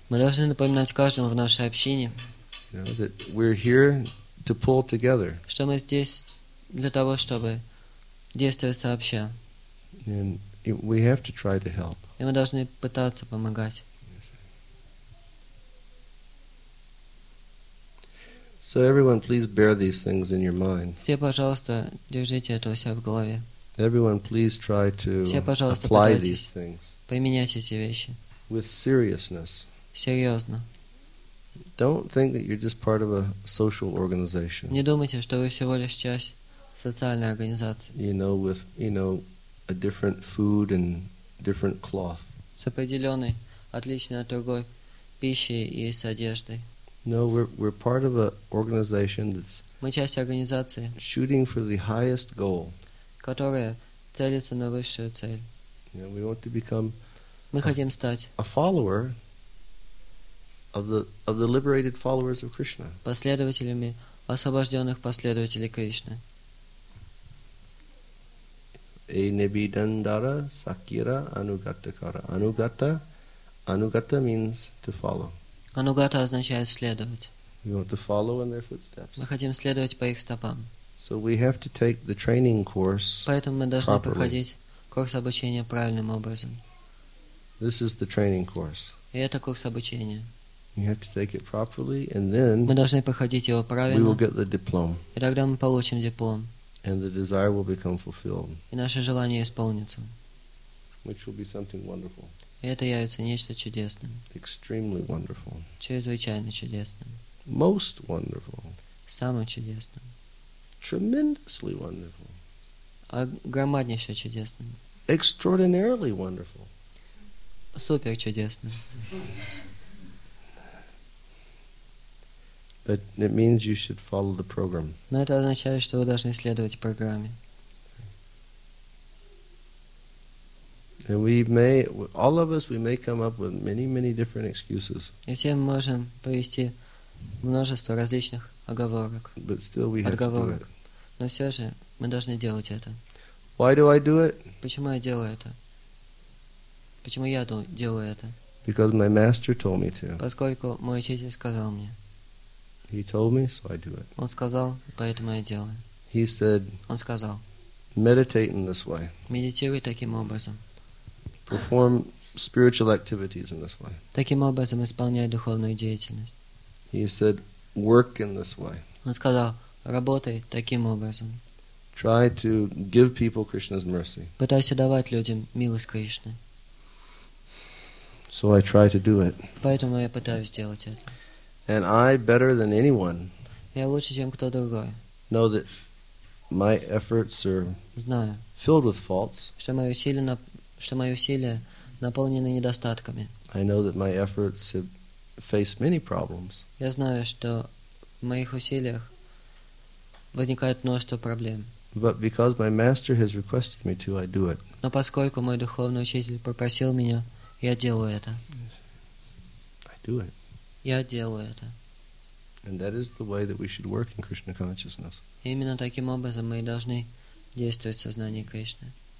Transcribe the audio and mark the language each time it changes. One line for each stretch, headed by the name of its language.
Russian: Мы должны напоминать каждому в нашей общине.
English: You know, that we're here to pull together.
Russian: Что мы здесь для того, чтобы действовать сообща.
English: And we have to try to help.
Russian: И мы должны пытаться помогать.
English: So everyone, please bear these things in your mind.
Russian: Все, пожалуйста, держите это у себя в голове.
English: Everyone, please try to
Russian: все,
English: apply these things.
Russian: Применять эти вещи.
English: With seriousness.
Russian: Серьезно.
English: Don't think that you're just part of a social organization.
Russian: Не думайте, что вы всего лишь часть социальной организации.
English: You know, with you know, a different food and different cloth.
Russian: С определенной, отличной от другой пищей и с одеждой.
English: No, we're part of an organization that's
Russian: мы часть организации,
English: shooting for the highest goal.
Russian: Которая целится на высшую цель.
English: You know, we want to become
Russian: мы хотим стать
English: a follower of the liberated followers of Krishna.
Russian: Последователями освобожденных последователей Кришны.
Bangla: E nebidandara sakira anugatakara.
English: Anugata means to follow.
Russian: Анугата означает следовать.
English: We want to follow in their footsteps.
Russian: Мы хотим следовать по их стопам.
English: So we have to take the training course.
Russian: Поэтому мы должны
English: properly.
Russian: Проходить курс обучения правильным образом.
English: This is the training course.
Russian: И это курс обучения.
English: You have to take it properly, and then
Russian: мы должны проходить его правильно.
English: We will get the diploma.
Russian: И тогда мы получим диплом.
English: And the desire will become fulfilled.
Russian: И наше желание исполнится.
English: Which will be something wonderful.
Russian: И это явится нечто чудесным.
English: Extremely wonderful.
Russian: Чрезвычайно чудесным.
English: Most wonderful.
Russian: Самым чудесным.
English: Tremendously wonderful.
Russian: А громаднейше чудесным.
English: Extraordinarily wonderful.
Russian: Супер чудесным.
English: But it means you should follow the program.
Russian: Но это означает, что вы должны следовать программе.
English: And we may, all of us, we may come up with many, many different excuses.
Russian: И все мы можем привести множество различных оговорок.
English: But still we
Russian: отговорок.
English: Have to do it.
Russian: Но все же мы должны делать это.
English: Why do I do it?
Russian: Почему я делаю это? Почему я делаю это?
English: Because my master told me to.
Russian: Поскольку мой учитель сказал мне.
English: He told me, so I do it.
Russian: Он сказал, поэтому я делаю.
English: He said,
Russian: он сказал,
English: meditate in this way.
Russian: Медитируй таким образом.
English: perform spiritual activities in this way.
Russian: Таким образом исполняй духовную деятельность.
English: He said, work in this way.
Russian: Он сказал, работай таким образом.
English: Try to give people Krishna's mercy.
Russian: Пытайся давать людям милость Кришны.
English: So I try to do it.
Russian: Поэтому я пытаюсь сделать это.
English: And I, better than anyone,
Russian: я лучше, чем кто другой,
English: know that my efforts are
Russian: знаю,
English: filled with faults.
Russian: Что мои усилия, наполнены недостатками.
English: I know that my efforts have faced many problems.
Russian: Я знаю, что в моих усилиях возникает множество проблем.
English: But because my master has requested me to, I do it.
Russian: Но поскольку мой духовный учитель попросил меня, я делаю это.
English: I do it.
Russian: Я делаю это.
English: And that is the way that we should work in Krishna consciousness.
Russian: Именно таким образом мы должны действовать в сознании Кришны.